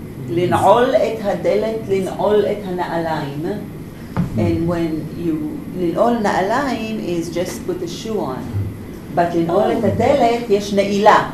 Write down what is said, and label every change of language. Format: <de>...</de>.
<he>לנעול את הדלת, לנעול את הנעליים.</he> <en>And when you,</en> <he>לנעול נעליים</he> <en>is just put the shoe on.</en> <he>But לנעול את הדלת, יש נעילה.</he>